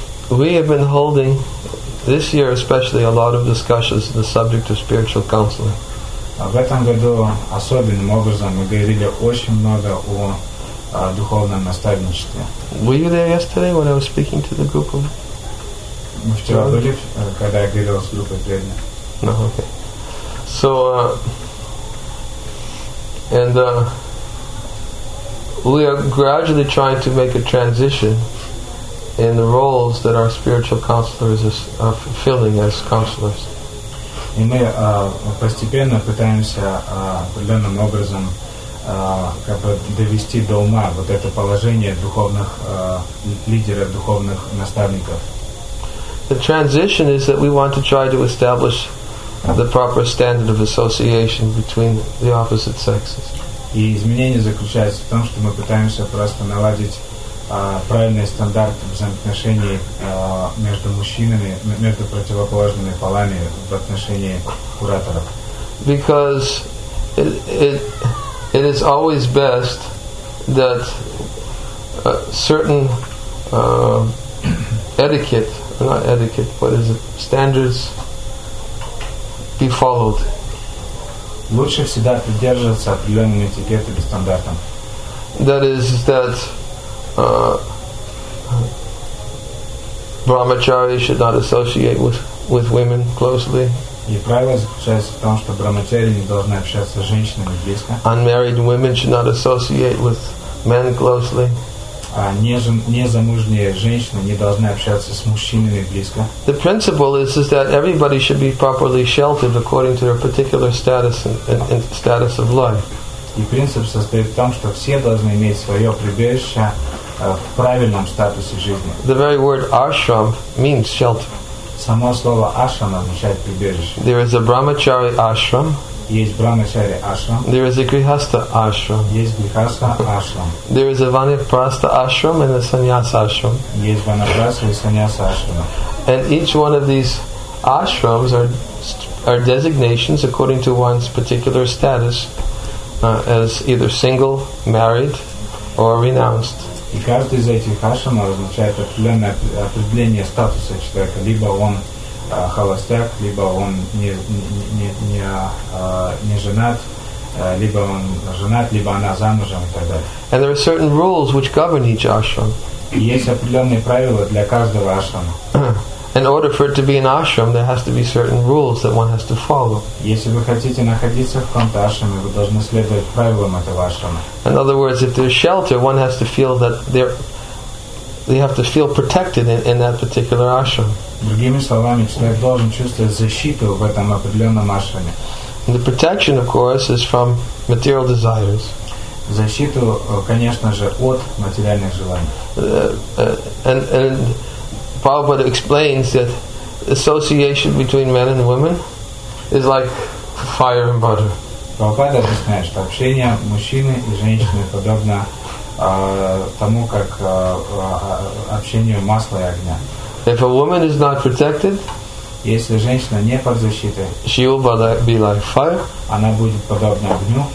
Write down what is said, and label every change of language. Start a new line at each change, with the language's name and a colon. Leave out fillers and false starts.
English: We have been holding, this year especially, a lot of discussions on the subject of spiritual counseling.
Russian: В этом году особенным образом мы говорили очень много о духовном наставничестве.
English: Were you there yesterday when I was speaking to the group of...
Russian: Мы вчера были, когда я говорил с группой преданных.
English: No, okay. So, we are gradually trying to make a transition in the roles that our spiritual counselors are fulfilling as counselors.
Russian: И мы постепенно пытаемся определенным образом как бы довести до ума вот это положение духовных лидеров, духовных наставников.
English: The transition is that we want to try to establish the proper standard of association between the opposite sexes.
Russian: И изменение заключается в том, что мы пытаемся просто наладить правильный стандарт взаимоотношений между мужчинами, между противоположными полами в отношении кураторов.
English: Because it is always best that certain etiquette, not etiquette, what is it, standards be followed.
Russian: Лучше всегда придерживаться определенным этикетом и стандартом.
English: That is that brahmachari should not associate with women closely.
Russian: И правило заключается в том, что брахмачари не должны общаться с женщинами близко.
English: Unmarried women should not associate with men closely.
Russian: Незамужние женщины не должны общаться с мужчинами близко.
English: The principle is that everybody should be properly sheltered according to their particular status and status of life.
Russian: И принцип состоит в том, что все должны иметь свое прибежище в правильном статусе жизни.
English: The very word ashram means shelter.
Russian: Само слово ashram означает прибежище.
English: There is a brahmachari ashram.
Russian: Есть брахмачари ашрам.
English: There is a grihastha ashram.
Russian: Есть грихаста ашрам.
English: There is a vanaprastha ashram and a sannyasa ashram.
Russian: Есть ванапрастха и саньяса ашрам.
English: And each one of these ashrams are designations according to one's particular status as either single, married, or renounced.
Russian: И каждый из этих ашрамов означает определение статуса человека. Либо он холостяк, либо он не женат, либо он женат, либо она замужем и так далее.
English: And there are certain rules which govern each ashram.
Russian: И есть определенные правила для каждого ашрама.
English: In order for it to be an ashram, there has to be certain rules that one has to follow.
Russian: Если вы хотите находиться в каком-то ашраме, вы должны следовать правилам этого ашрама.
English: In other words, if there's shelter, one has to feel that they have to feel protected in that particular ashram.
Russian: Другими словами, человек должен чувствовать защиту в этом определенном ашраме.
English: And the protection, of course, is from material desires.
Russian: Защиту, конечно же, от материальных желаний.
English: And Prabhupada explains that association between men and women is like fire and butter.
Russian: Prabhupada объясняет, что общение мужчины и женщины подобно тому, как общению масла и огня.
English: If a woman is not protected,
Russian: если женщина не под защитой,
English: she will be like fire.
Russian: Она будет подобна огню.